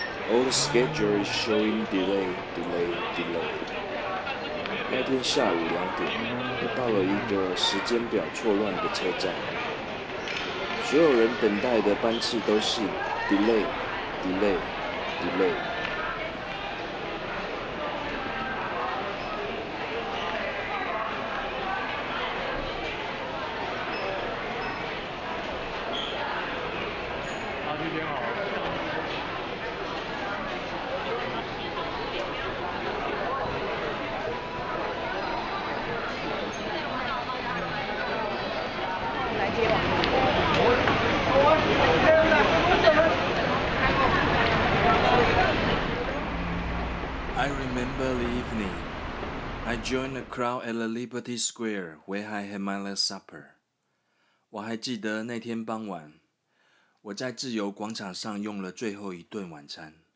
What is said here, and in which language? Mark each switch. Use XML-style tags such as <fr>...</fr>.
<en>All the schedule is showing delay, delay, delay.</en> <zh>那天下午两点，我到了一个时间表错乱的车站。所有人等待的班次都是</zh> <en>delay, delay, delay. I remember the evening. I joined the crowd at the Liberty Square where I had my last supper.</en> <zh>我还记得那天傍晚，我在自由广场上用了最后一顿晚餐。</zh>